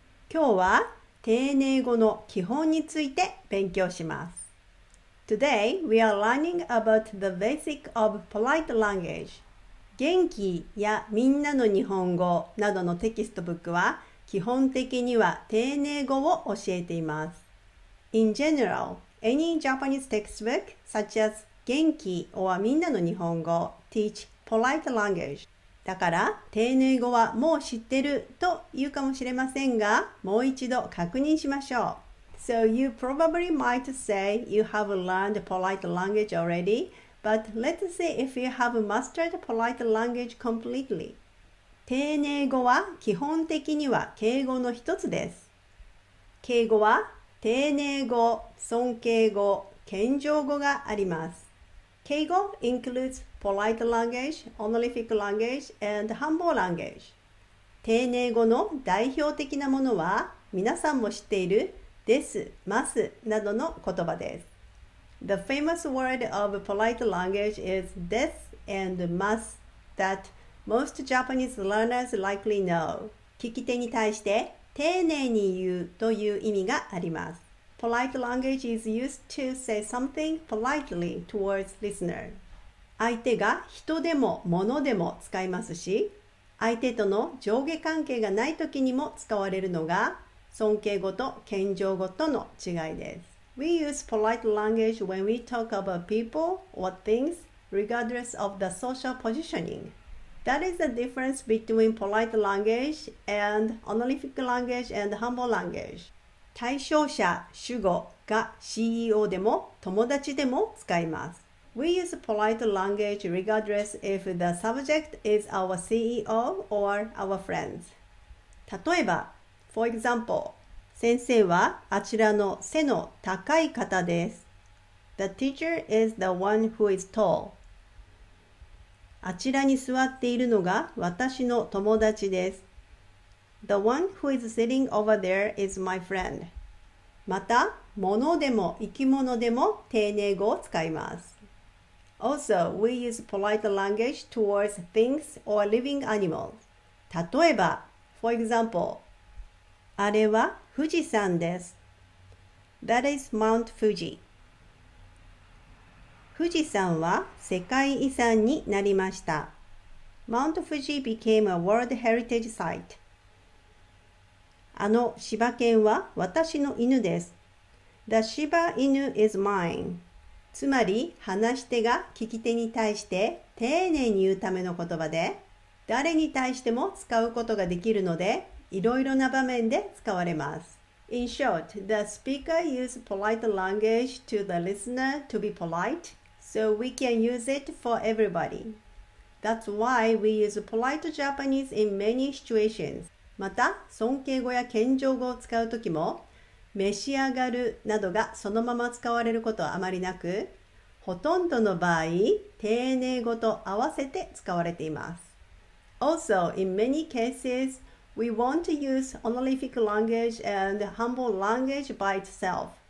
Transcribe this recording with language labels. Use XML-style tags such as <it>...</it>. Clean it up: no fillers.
<ja>今日は丁寧語の基本について勉強します。</ja> <en>Today, we are learning about the basic of polite language.</en> <ja>元気やみんなの日本語などのテキストブックは、基本的には丁寧語を教えています。</ja> <en>In general,Any Japanese textbook, such as 元気 or みんなの日本語 teach polite language.</en> <ja>だから、丁寧語はもう知ってると言うかもしれませんが、もう一度確認しましょう。</ja> <en>So you probably might say you have learned polite language already, but let's see if you have mastered polite language completely.</en> <ja>丁寧語は基本的には敬語の一つです。敬語は丁寧語、尊敬語、謙譲語があります。</ja> <en>敬語 includes polite language, honorific language, and humble language.</en> <ja>丁寧語の代表的なものは、皆さんも知っている、です、ますなどの言葉です。</ja> <en>The famous word of polite language is です and ます that most Japanese learners likely know.</en> <ja>聞き手に対して、丁寧に言うという意味があります。</ja> <en>Polite language is used to say something politely towards listener.</en> <ja>相手が人でも物でも使いますし、相手との上下関係がない時にも使われるのが、尊敬語と謙譲語との違いです。</ja> <en>We use polite language when we talk about people or things, regardless of the social positioning. That is the difference between polite language and honorific language and humble language.</en> <ja>対象者、主語が CEO でも友達でも使います。</ja> <en>We use polite language regardless if the subject is our CEO or our friends.</en> <ja>例えば、</ja> <en>For example,</en> <ja>先生はあちらの背の高い方です。</ja> <en>The teacher is the one who is tall.</en> <ja>あちらに座っているのが私の友達です。</ja> <en>The one who is sitting over there is my friend.</en> <ja>また、物でも生き物でも丁寧語を使います。</ja> <en>Also, we use polite language towards things or living animals.</en> <ja>例えば、</ja> <en>For example,</en> <ja>あれは富士山です。</ja> <en>That is Mount Fuji.</en> <ja>富士山は世界遺産になりました。</ja> <en>Mount Fuji became a World Heritage Site.</en> <ja>あの柴犬は私の犬です。</ja> <en>The Shiba Inu is mine.</en> <ja>つまり話し手が聞き手に対して丁寧に言うための言葉で、誰に対しても使うことができるので、いろいろな場面で使われます。</ja> <en>In short, the speaker used polite language to the listener to be polite, so we can use it for everybody. That's why we use polite Japanese in many situations.</en> <ja>また、尊敬語や謙譲語を使うときも、召し上がるなどがそのまま使われることはあまりなく、ほとんどの場合、丁寧語と合わせて使われています。</ja> <en>Also, in many cases,We want to use honorific language and humble language by itself.</en>